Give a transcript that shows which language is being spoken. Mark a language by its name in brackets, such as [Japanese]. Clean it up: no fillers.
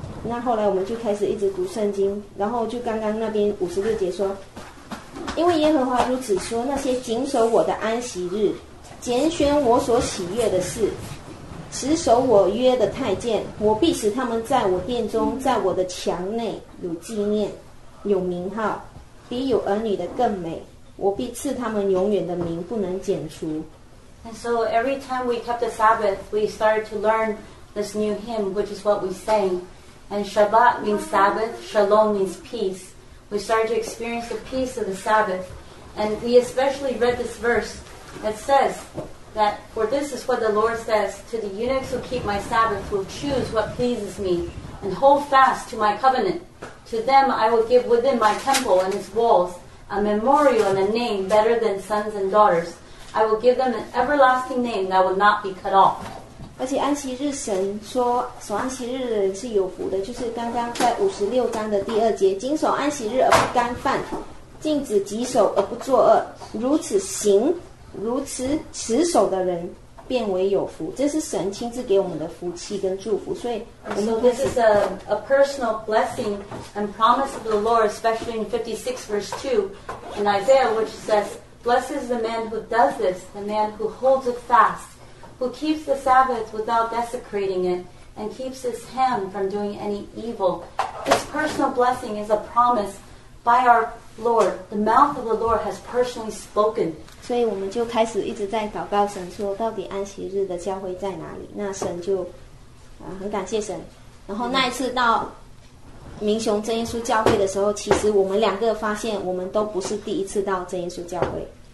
[Chinese] 那后来我们就开始一直读圣经，然后就刚刚那边五十六节说，因为耶和华如此说，那些谨守我的安息日，拣选我所喜悦的事，持守我约的太监，我必使他们在我殿中，在我的墙内有纪念，有名号，比有儿女的更美，我必赐他们永远的名，不能剪除。 [English] And so every time we kept the Sabbath, we started to learn this new hymn, which is what we sang. And Shabbat means Sabbath, Shalom means peace. We started to experience the peace of the Sabbath. And we especially read this verse that says that, for this is what the Lord says, to the eunuchs who keep my Sabbath will choose what pleases me and hold fast to my covenant. To them I will give within my temple and its walls a memorial and a name better than sons and daughters. I will give them an everlasting name that will not be cut off. [Chinese] 而且安息日神说守安息日的人是有福的，就是刚刚在五十六章的第二节，谨守安息日而不干犯，禁止己守而不作恶，如此行，如此持守的人变为有福。这是神亲自给我们的福气跟祝福。所以我们 [English] so this is a personal blessing and promise of the Lord, especially in 56 verse 2 in Isaiah, which says,Blessed is the man who does this, the man who holds it fast, who keeps the Sabbath without desecrating it, and keeps his hand from doing any evil. This personal blessing is a promise by our Lord. The mouth of the Lord has personally spoken. [Chinese] 所以我们就开始一直在祷告神说到底安息日的教会在哪里，那神就很感谢神。然后那一次到明雄真耶稣教会的时候，其实我们两个发现我们都不是第一次到真耶稣教会。